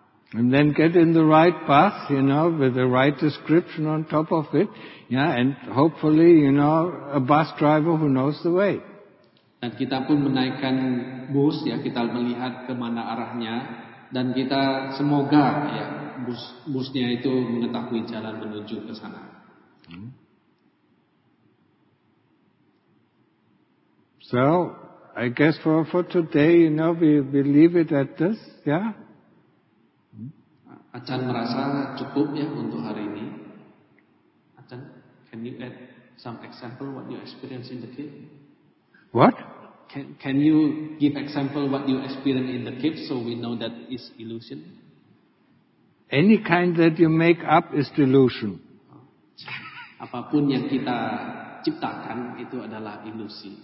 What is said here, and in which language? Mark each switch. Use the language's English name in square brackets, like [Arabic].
[English] And then get in the right path, you know, with the right description on top of it. Yeah, and hopefully, you know, a bus driver who knows the way. [Indonesian] Dan kita pun menaikkan bus, ya, kita melihat kemana arahnya, dan kita semoga, ya, busnya itu mengetahui jalan menuju ke sana. [English] So, I guess for today, you know, we leave it at this, yeah. [Indonesian] Achan merasa cukup, ya, untuk hari ini. [English] Achan, can you add some example what you experience in the cave? What? Can you give example what you experience in the cave so we know that is illusion? Any kind that you make up is delusion. [Indonesian] Apapun yang kita ciptakan itu adalah ilusi.